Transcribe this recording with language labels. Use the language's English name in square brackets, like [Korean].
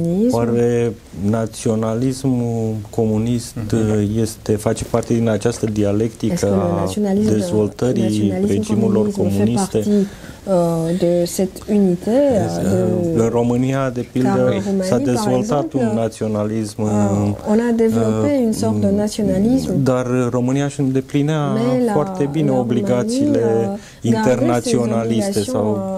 [Romanian] Oare naționalismul comunist face parte din această dialectică a dezvoltării regimurilor comuniste? [French] De cette unité, [Romanian] în România, de pildă, s-a dezvoltat un naționalism. [French] On a développé une sorte de nationalisme. [Romanian] Dar România își îndeplinea foarte bine obligațiile internaționaliste sau